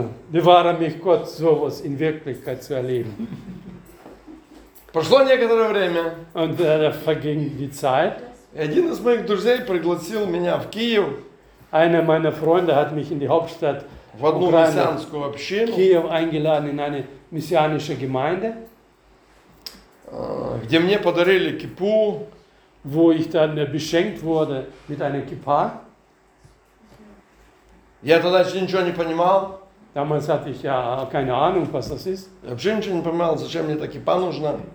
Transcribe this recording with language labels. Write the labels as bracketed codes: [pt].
[de] Bewahre mich Gott, sowas in Wirklichkeit zu erleben. [ru] Прошло некоторое время. [de] Und verging die Zeit. [ru] Один из моих друзей пригласил меня в Киев. [de] Einer meiner Freunde hat mich in die Hauptstadt [ru] в одну Украины, мессианскую общину. [de] Киев eingeladen in eine messianische Gemeinde. [ru] Где мне подарили кипу. [de] Wo ich dann beschenkt wurde mit einer Kippa. [ru] Я тогда еще ничего не понимал. [de] Damals hatte ich ja keine Ahnung, was das ist. [ru] Я вообще ничего не понимал, зачем мне эта кипа нужна.